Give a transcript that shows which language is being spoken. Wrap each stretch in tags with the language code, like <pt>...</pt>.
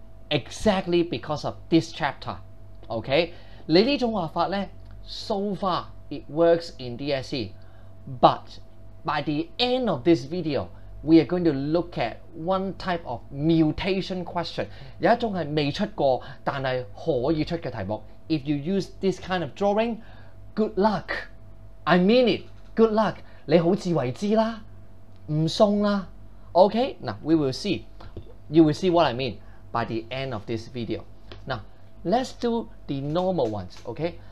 <en>Exactly because of this chapter. Okay,</en> <yue>你呢種畫法咧,</yue> <en>so far it works in DSE, but by the end of this video, we are going to look at one type of mutation question.</en> <yue>有一種係未出過但係可以出嘅題目。</yue> <en>If you use this kind of drawing, good luck. I mean it. Good luck.</en> <yue>你好自為之啦，唔送啦.</yue> <en>Okay. Now we will see. You will see what I mean by the end of this video. Now let's do the normal ones. Okay.</en>